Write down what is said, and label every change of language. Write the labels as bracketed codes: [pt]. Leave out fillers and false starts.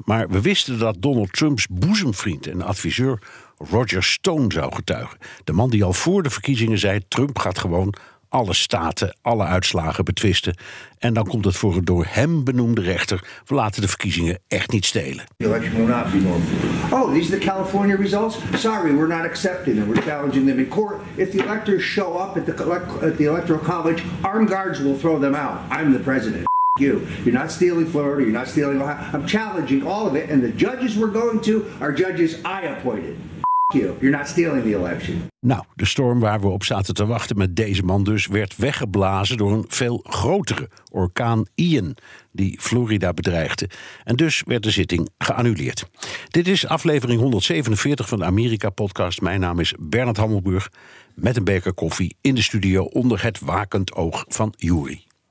[nl] Maar we wisten dat Donald Trumps boezemvriend en adviseur Roger Stone zou getuigen. De man die al voor de verkiezingen zei: Trump gaat gewoon alle staten, alle uitslagen betwisten. En dan komt het voor een door hem benoemde rechter: we laten de verkiezingen echt niet stelen. [en] The election will not be won. Oh, these are the California results? Sorry, we're not accepting them. We're challenging them in court. If the electors show up at the electoral college, armed guards will throw them out. I'm the president. You. You're not stealing Florida, you're not stealing Ohio. I'm challenging all of it. And the judges we're going to are judges I appointed. You're not stealing the election. [nl] Nou, de storm waar we op zaten te wachten met deze man dus werd weggeblazen door een veel grotere orkaan Ian die Florida bedreigde. En dus werd de zitting geannuleerd. Dit is aflevering 147 van de Amerika-podcast. Mijn naam is Bernard Hammelburg met een beker koffie in de studio onder het wakend oog van Juri.